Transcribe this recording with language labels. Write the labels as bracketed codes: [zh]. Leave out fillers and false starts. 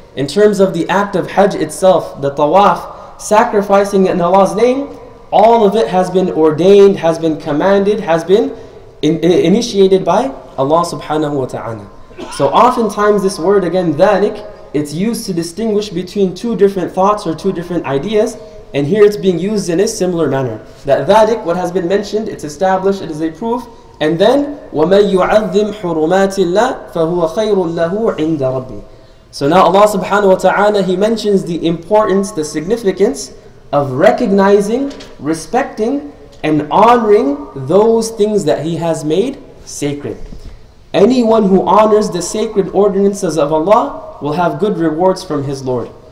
[en] In terms of the act of Hajj itself, the tawaf, sacrificing in Allah's name, all of it has been ordained, has been commanded, has been initiated by Allah subhanahu wa ta'ala. So oftentimes this word again, dhalik, it's used to distinguish between two different thoughts or two different ideas. And here it's being used in a similar manner. That dhalik, what has been mentioned, it's established, it is a proof. And then, [ar] وَمَن يُعَظِّمْ حُرُمَاتِ اللَّهِ فَهُوَ خَيْرٌ لَهُ عِنْدَ رَبِّي. [en] So now Allah subhanahu wa ta'ala, He mentions the importance, the significance of recognizing, respecting, and honoring those things that He has made sacred. Anyone who honors the sacred ordinances of Allah will have good rewards from his Lord.